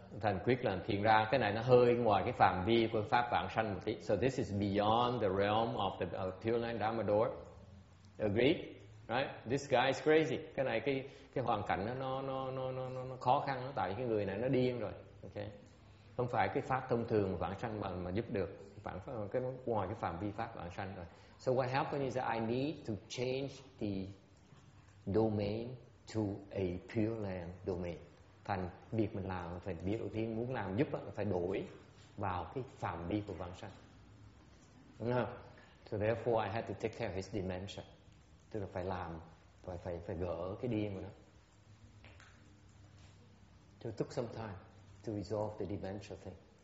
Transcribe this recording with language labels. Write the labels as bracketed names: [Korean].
[Vietnamese] Thành quyết là thiền ra cái này nó hơi ngoài cái phạm vi của pháp vạn sanh một tí. [English] So this is beyond the realm of the Pure Land Dharma Door. Agreed, right? This guy is crazy. [Vietnamese] Cái này cái hoàn cảnh nó khó khăn, nó tại vì cái người này nó điên rồi. Okay, không phải cái pháp thông thường vạn sanh mà giúp được. Vạn pháp cái nó ngoài cái phạm vi pháp vạn sanh rồi. [English] So what happened is that I need to change the domain to a Pure Land domain. [Vietnamese] Thành việc mình làm phải biết đầu tiên muốn làm giúp là phải đổi vào cái phạm vi của vạn sanh. No. [English] So therefore I had to take care of his dementia. [Vietnamese] Tức là phải làm, phải gỡ cái điên của nó. [English] So it took some time to resolve the dementia thing.